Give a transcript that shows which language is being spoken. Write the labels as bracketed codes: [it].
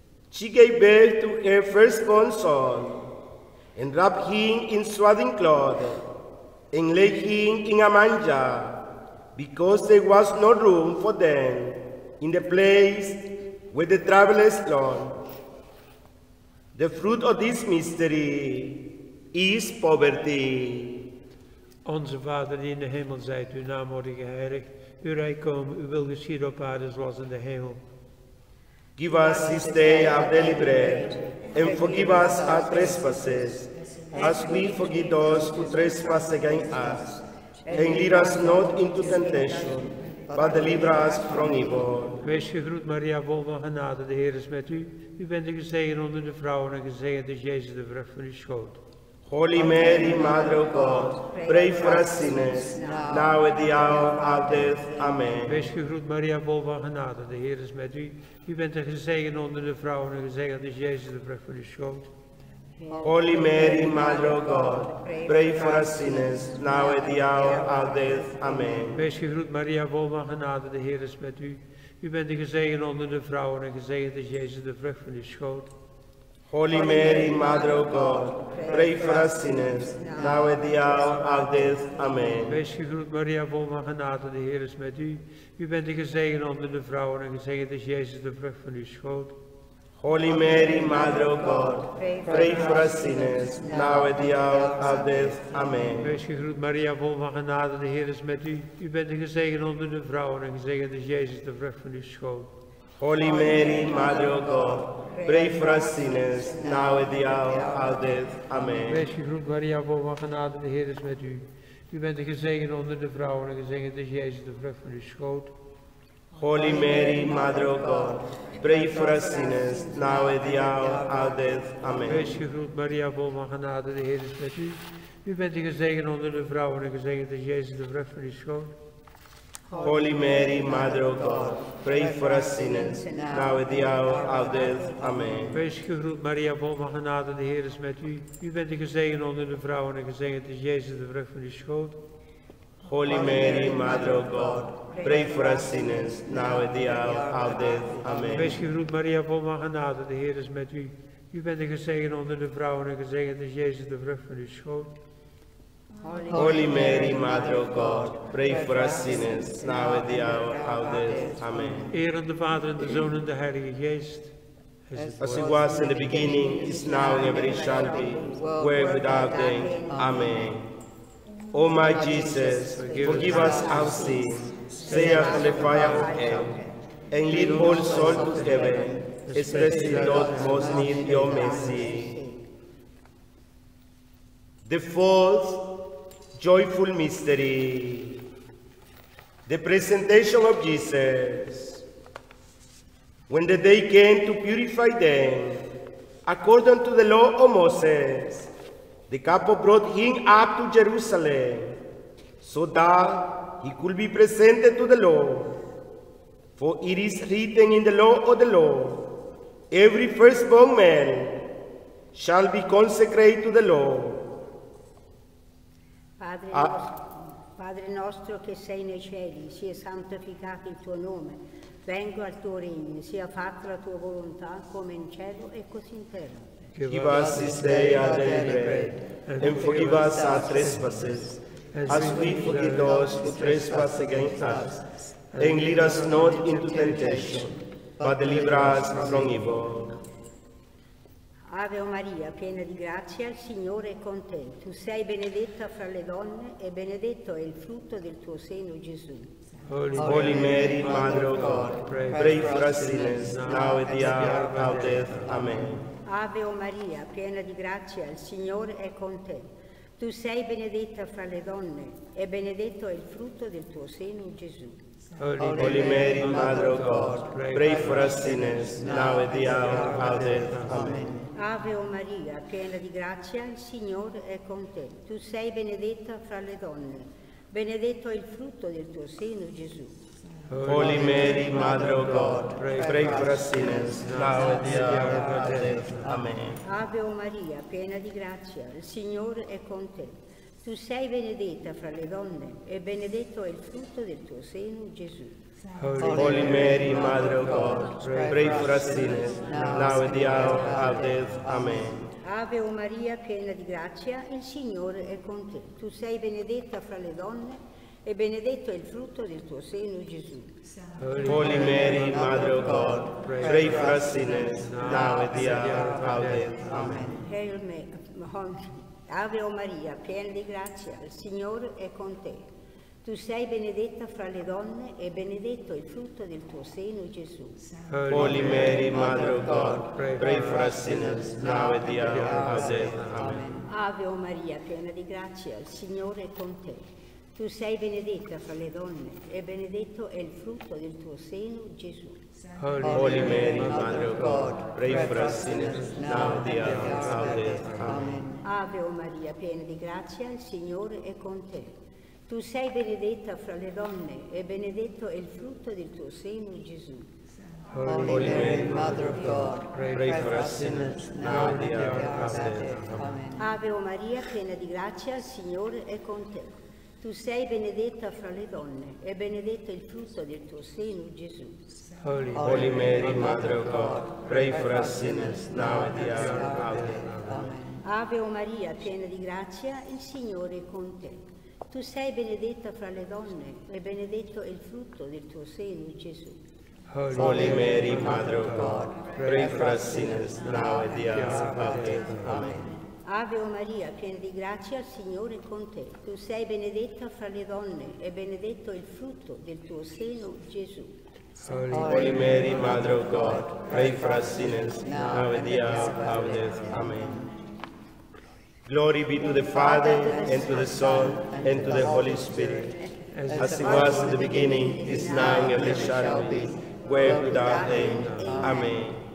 [en] She gave birth to her firstborn son, and wrapped him in swaddling cloth, and laid him in a manger, because there was no room for them in the place where the travelers lodged. The fruit of this mystery is poverty. [nl] Onze Vader die in de hemel zijt, uw naam worde geheiligd, uw rijk komen, uw wil geschieden op aarde zoals in de hemel. [en] Give us this day our daily bread, and forgive us our trespasses, as we forgive those who trespass against us. And lead us not into temptation, but deliver us from evil. [nl] Wees gegroet, Maria, vol van genade, de Heer is met u. U bent gezegend onder de vrouwen en gezegend is Jezus, de vrucht van uw schoot. [en] Holy Mary, Mother of God, pray for us sinners, now at the hour of our death. Amen. [nl] Wees gegroet, Maria, vol van genade, de Heer is met u. U bent gezegend onder de vrouwen en gezegend is Jezus, de vrucht van uw schoot. [en] Holy Mary, Mother of God, pray for us sinners, now at the hour of our death. Amen. [nl] Wees gegroet, Maria, vol van genade, de Heer is met u. U bent gezegend onder de vrouwen en gezegend is Jezus, de vrucht van uw schoot. [en] Holy Mary, Mother of God, pray for us sinners, now at the hour of death. Amen. [nl] Wees gegroet, Maria, vol van genade, de Heer is met u. U bent gezegend onder de vrouwen en gezegend is Jezus, de vrucht van uw schoot. [en] Holy Mary, Mother of God, pray for us sinners, now at the hour of death. Amen. [nl] Wees gegroet, Maria, vol van genade, de Heer is met u. U bent gezegend onder de vrouwen en gezegend is Jezus, de vrucht van uw schoot. [en] Holy Mary, Mother of God, pray for us sinners, now at the hour of death. Amen. [nl] Wees gegroet, Maria, vol van genade, de Heer is met u. U bent gezegend onder de vrouwen en gezegend is Jezus, de vrucht van uw schoot. [en] Holy Mary, Mother of God, pray for us sinners, now at the hour of our death. Amen. [nl] Wees gegroet, Maria, vol van genade, de Heer is met u. U bent gezegend onder de vrouwen en gezegend is Jezus, de vrucht van uw schoot. [en] Holy Mary, Mother of God, pray for us sinners, now at the hour of death. Amen. [nl] Wees gegroet, Maria, vol van genade, de Heer is met u. U bent gezegend onder de vrouwen en gezegend is Jezus, de vrucht van uw schoot. [en] Holy Mary, Mother of God, pray for us sinners, now at the hour of death. Amen. [nl] Wees gegroet, Maria, vol van genade, de Heer is met u. U bent gezegend onder de vrouwen en gezegend is Jezus, de vrucht van uw schoot. [en] Holy Mary, Mother of God, pray for us sinners, now at the hour of our death. Amen. [nl] Eer aan de Vader, en de Zoon, en de Heilige Geest. [en] As it was in the beginning, is now, and ever shall be, world without end. Amen. O my Jesus, forgive us our sins, save us from the fire of hell, and lead all souls to heaven, especially those most need your mercy. The fourth joyful mystery, the presentation of Jesus. When the day came to purify them, according to the law of Moses, the couple brought him up to Jerusalem so that he could be presented to the Lord. For it is written in the law of the Lord, every firstborn male shall be consecrated to the Lord. [it] Padre nostro che sei nei cieli, sia santificato il tuo nome, venga il tuo regno, sia fatta la tua volontà come in cielo e così in terra. [en] Give us this day our daily bread, and forgive us our trespasses, as we forgive those who trespass against us. And lead us not into temptation, but deliver us from evil. [it] Ave Maria, piena di grazia, il Signore è con te. Tu sei benedetta fra le donne e benedetto è il frutto del tuo seno, Gesù. [en] Holy Mary, Mother of God, pray for us sinners, now at the hour of our death. Amen. [it] Ave Maria, piena di grazia, il Signore è con te. Tu sei benedetta fra le donne e benedetto è il frutto del tuo seno, Gesù. [en] Holy Mary, Mother of God, pray for us sinners, now at the hour of our death. Amen. [it] Ave o Maria, piena di grazia, il Signore è con te. Tu sei benedetta fra le donne. Benedetto è il frutto del tuo seno, Gesù. [en] Holy Mary, Mother of God, pray for us sinners, now at the hour of our death. Amen. [it] Ave o Maria, piena di grazia, il Signore è con te. Tu sei benedetta fra le donne e benedetto è il frutto del tuo seno, Gesù. [en] Holy Mary, Mother of God, pray for us sinners, now at the hour of our death. Amen. [it] Ave o Maria, piena di grazia, il Signore è con te. Tu sei benedetta fra le donne e benedetto è il frutto del tuo seno, Gesù. [en] Holy Mary, Mother of God, pray for us sinners, now at the hour of our death. Amen. Hail Mary, [it] Ave o Maria, piena di grazia, il Signore è con te. Tu sei benedetta fra le donne e benedetto il frutto del tuo seno, Gesù. [en] Holy Mary, Mother of God, pray for us sinners, now at the hour of our death. Amen. [it] Ave o Maria, piena di grazia, il Signore è con te. Tu sei benedetta fra le donne e benedetto è il frutto del tuo seno, Gesù. [en] Holy Mary, Mother of God, pray for us sinners, now at the hour of our death. Amen. [it] Ave o Maria, piena di grazia, il Signore è con te. Tu sei benedetta fra le donne e benedetto è il frutto del tuo seno, Gesù. [en] Holy Mary, Mother of God, pray for us sinners, now at the hour of our death. Amen. [it] Ave o Maria, piena di grazia, il Signore è con te. Tu sei benedetta fra le donne e benedetto il frutto del tuo seno, Gesù. [en] Holy Mary, Mother of God, pray for us sinners, now at the hour of our death. Amen. [it] Ave o Maria, piena di grazia, il Signore è con te. Tu sei benedetta fra le donne e benedetto è il frutto del tuo seno, Gesù. [en] Holy Mary, Mother of God, pray for us sinners, now at the hour of our death. Amen. [it] Ave o Maria, piena di grazia, il Signore è con te. Tu sei benedetta fra le donne e benedetto è il frutto del tuo seno, Gesù. [en] Holy Mary, Mother of God, pray for us sinners, now at the hour of our death. Amen. Glory be to the Father, and to the Son, and to the Holy Spirit, as it was in the beginning, is now, and ever shall be, world without end. Amen.